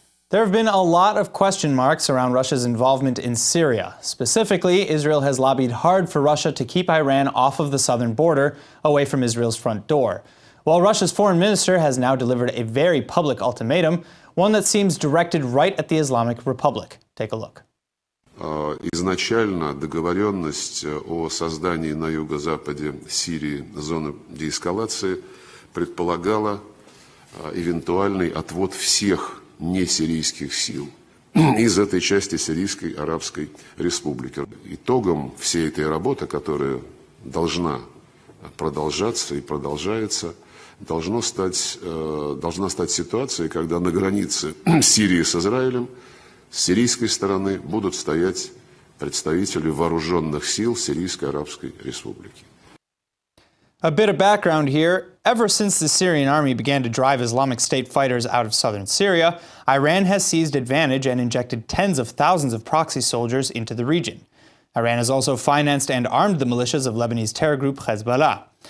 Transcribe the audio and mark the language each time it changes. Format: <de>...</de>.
<en>There have been a lot of question marks around Russia's involvement in Syria. Specifically, Israel has lobbied hard for Russia to keep Iran off of the southern border, away from Israel's front door. While Russia's foreign minister has now delivered a very public ultimatum, one that seems directed right at the Islamic Republic. Take a look.</en> <ru>Изначально договоренность о создании на юго-западе Сирии зоны деэскалации предполагала эвентуальный отвод всех несирийских сил из этой части Сирийской Арабской Республики. Итогом всей этой работы, которая должна продолжаться и продолжается, должна стать ситуация, когда на границе Сирии с Израилем с сирийской стороны будут стоять представители вооруженных сил Сирийской Арабской Республики.</ru> <en>A bit of background here. Ever since the Syrian army began to drive Islamic State fighters out of southern Syria, Iran has seized advantage and injected tens of thousands of proxy soldiers into the region. Iran has also financed and armed the militias of Lebanese terror group Hezbollah.</en>